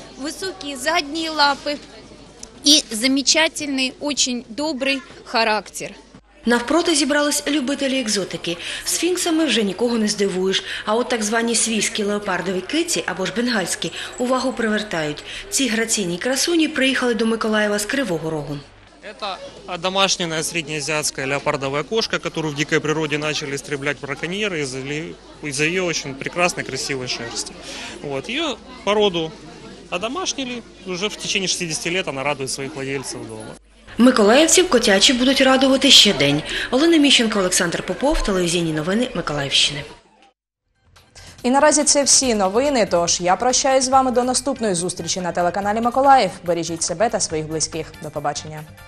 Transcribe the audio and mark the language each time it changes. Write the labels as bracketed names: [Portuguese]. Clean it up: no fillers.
[Ukrainian] Високі задні лапи і замечательний, дуже добрий характер. Навпроти зібрались любителі екзотики. Сфінксами вже нікого не здивуєш, а от так звані свійські леопардові киці або ж бенгальські увагу привертають. Ці граційні красуні приїхали до Миколаєва з Кривого Рогу. [Russian] Это домашняя среднеазиатская леопардовая кошка, которую в дикой природе начали истреблять браконьеры из-за ее очень прекрасной, красивой шерсти. Вот. Ее породу одомашнили, уже в течение 60 лет она радует своих владельцев дома. [Ukrainian] Миколаївців котячі будуть радувати ще день. Олена Міщенко, Олександр Попов, телевізійні новини Миколаївщини. І наразі це всі новини, тож я прощаюсь з вами до наступної зустрічі на телеканалі Миколаїв. Бережіть себе та своїх близьких. До побачення.